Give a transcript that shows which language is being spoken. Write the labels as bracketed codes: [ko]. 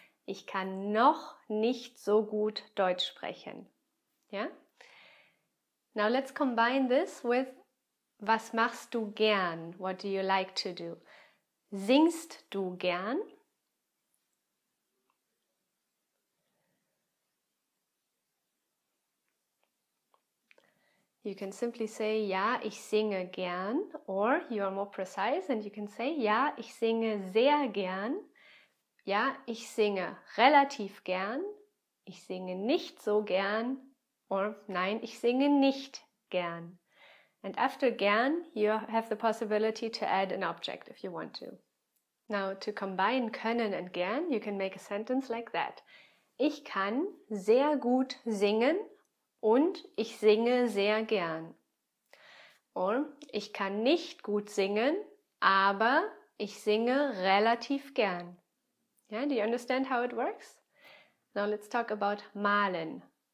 [de] Ich kann noch nicht so gut Deutsch sprechen. [en] Yeah? Now let's combine this with [de] was machst du gern? [en] What do you like to do? [de] Singst du gern? [en] You can simply say, [de] ja, ich singe gern. [en] Or you are more precise and you can say, [de] ja, ich singe sehr gern. Ja, ich singe relativ gern. Ich singe nicht so gern. Or nein, ich singe nicht gern. [en] And after gern, you have the possibility to add an object if you want to. Now, to combine können and gern, you can make a sentence like that. [de] Ich kann sehr gut singen und ich singe sehr gern. Or, ich kann nicht gut singen, aber ich singe relativ gern. [en] Yeah, do you understand how it works? Now, let's talk about malen.